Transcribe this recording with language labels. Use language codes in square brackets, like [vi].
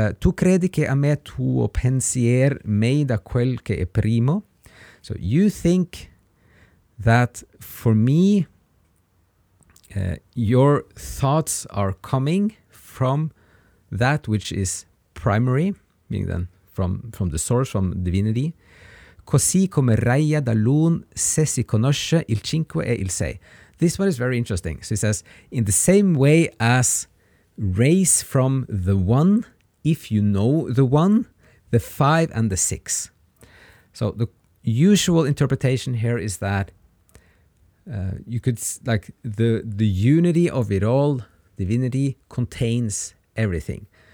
[it] Tu credi che a me tuo pensier mei da quel che è primo? [en] So you think that for me, your thoughts are coming from that which is primary, meaning then from the source, from divinity. [it] Così come raia da lun se si conosce il cinque e il sei. [en] This one is very interesting. So he says, in the same way as rays from the one, if you know the one, the five and the six. So the usual interpretation here is that you could, like, the unity of it all, divinity, contains everything.